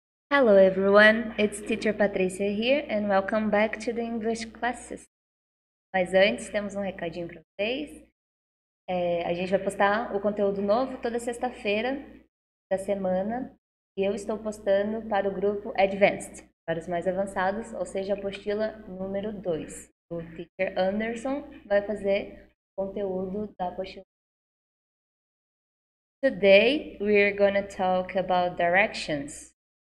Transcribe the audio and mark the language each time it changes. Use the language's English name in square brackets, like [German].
[English] Hello everyone, it's teacher Patrícia here and welcome back to the English classes. [Portuguese] Mas antes, temos um recadinho para vocês. A gente vai postar o conteúdo novo toda sexta-feira da semana e eu estou postando para o grupo Advanced, para os mais avançados, ou seja, a apostila número 2. O teacher Anderson vai fazer o conteúdo da apostila. [English] Today we are going to talk about directions.